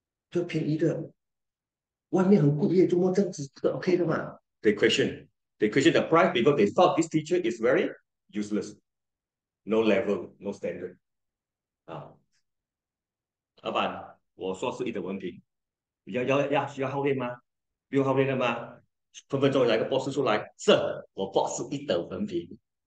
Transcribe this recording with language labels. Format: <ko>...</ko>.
<zh>这便宜的，外面很贵，怎么这样子？这个 OK 的嘛？</zh> <en>They question the price because they thought this teacher is very useless。 No level, no standard.</en> <zh>啊，老板，我硕士一等文凭，要需要后面吗？不用后面的吗？分分钟来个博士出来，是，我博士一等文凭。</zh>